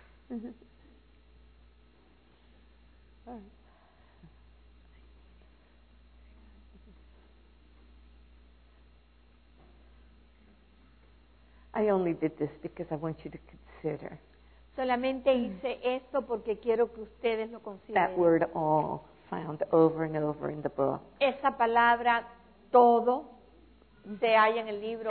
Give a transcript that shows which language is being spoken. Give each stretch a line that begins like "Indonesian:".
English: All right. I only did this because I want you to consider.
Spanish: Solamente hice esto porque quiero que ustedes lo consideren.
English: That word all found over and over in the book.
Spanish: Esa palabra todo se halla en el libro.